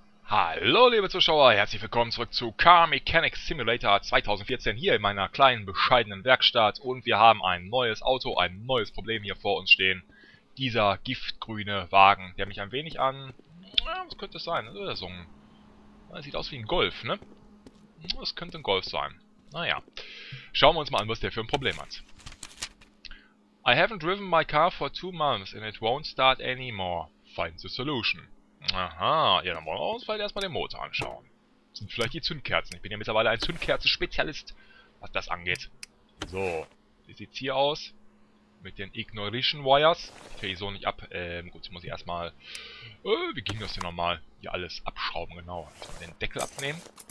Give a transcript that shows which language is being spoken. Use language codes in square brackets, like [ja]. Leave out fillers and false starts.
[de] Hallo liebe Zuschauer, herzlich willkommen zurück zu Car Mechanics Simulator 2014 hier in meiner kleinen bescheidenen Werkstatt und wir haben ein neues Auto, ein neues Problem hier vor uns stehen. Dieser giftgrüne Wagen, der mich ein wenig an... Ja, was könnte es sein? Oder so ein... Sieht aus wie ein Golf, ne? Das könnte ein Golf sein. Naja, schauen wir uns mal an, was der für ein Problem hat. [en] I haven't driven my car for 2 months and it won't start anymore. Find the solution. [de] Aha, ja, dann wollen wir uns vielleicht erstmal den Motor anschauen. Das sind vielleicht die Zündkerzen. Ich bin ja mittlerweile ein Zündkerzen-Spezialist, was das angeht. So, wie sieht's hier aus? Mit den Ignition Wires. Okay, so nicht ab. Gut, jetzt muss ich erstmal... wie ging das denn nochmal? Hier alles abschrauben, genau. Jetzt mal den Deckel abnehmen.